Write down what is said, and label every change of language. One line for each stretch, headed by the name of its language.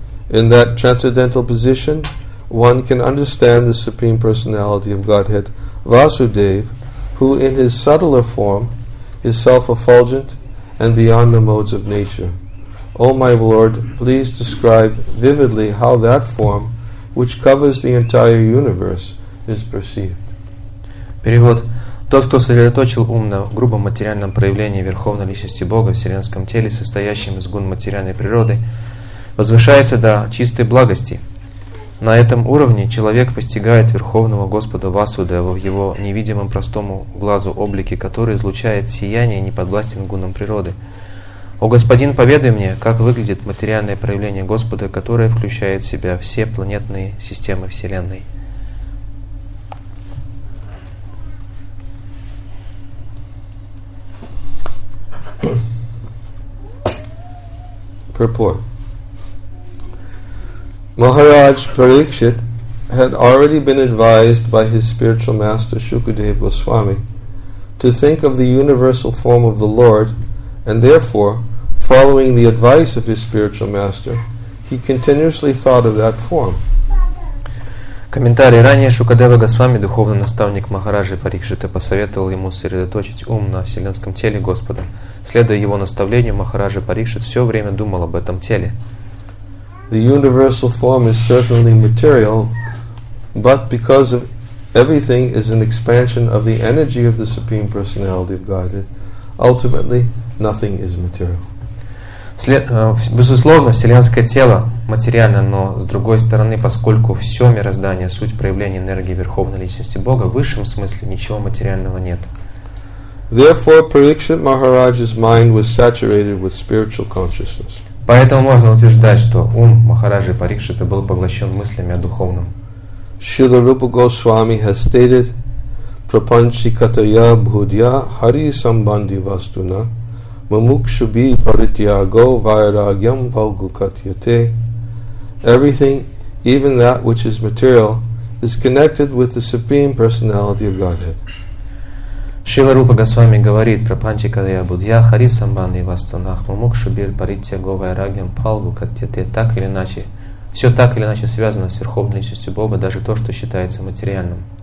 English: In that transcendental position, one can understand the Supreme Personality of Godhead, Vasudeva, who in his subtler form is self-effulgent and beyond the modes of nature. O my Lord, please describe vividly how that form, which covers the entire universe, is perceived.
Russian: Перевод. Тот, кто сосредоточил ум на грубом материальном проявлении Верховной Личности Бога в вселенском теле, состоящем из гун материальной природы, возвышается до чистой благости. На этом уровне человек постигает Верховного Господа Васудеву в его невидимом простому глазу облике, который излучает сияние неподвластен гунам природы. О Господин, поведай мне, как выглядит материальное проявление Господа, которое включает в себя все планетные системы Вселенной.
English: Purport. Maharaj Parikshit had already been advised by his spiritual master Shukadeva Goswami to think of the universal form of the Lord, and therefore, following the advice of his spiritual master, he continuously thought of that form.
Russian: Комментарий. Ранее Шукадева Госвами, духовный наставник Махараджи Парикшита, посоветовал ему сосредоточить ум на вселенском теле Господа. Следуя его наставлению, Махараджи Парикшит все время думал об этом теле.
English: The universal form is certainly material, but because of everything is an expansion of the energy of the Supreme Personality of Godhead, ultimately nothing is material.
Russian: Безусловно, вселенское тело материально, но с другой стороны, поскольку все мироздание – суть проявления энергии Верховной Личности Бога, в высшем смысле ничего материального нет.
English: Therefore, Parikshit Maharaj's mind was saturated with spiritual consciousness.
Russian: Поэтому можно утверждать, что ум Махараджи Парикшита был поглощен мыслями о духовном.
English: Śrīla Rūpa Gosvāmī has stated,
Sanskrit: prapañcikataya bhūdhya hari sambandhi vastuna mamukṣubhi parityāgo vairāgyam bhagukatyate.
English: Everything, even that which is material, is connected with the Supreme Personality of Godhead.
Russian: Шрила Рупа Госвами говорит про
Sanskrit: Панчикадая Будья Хари Самбанды Вастанах Мумукшубир Паритья Говая Рагим Палгу Катьяте.
Russian: Так или иначе, все так или иначе связано с Верховной Личностью Бога, даже то, что считается материальным.